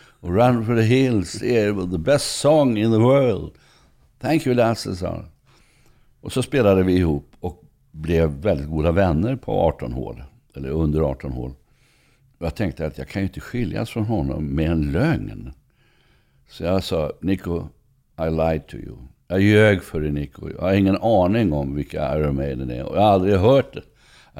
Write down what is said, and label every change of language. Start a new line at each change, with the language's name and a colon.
Swedish: Och
English: Run for the Hills
Swedish: är
English: the best song in the world. Thank you,
Swedish: Lasse, sa han. Och så spelade vi ihop och blev väldigt goda vänner på 18 hål. Eller under 18 hål. Och jag tänkte att jag kan ju inte skiljas från honom med en lögn. Så jag sa:
English: Nico, I lied to you.
Swedish: Jag ljög för dig, Nico. Jag har ingen aning om vilka Iron Maiden är. Och jag har aldrig hört det.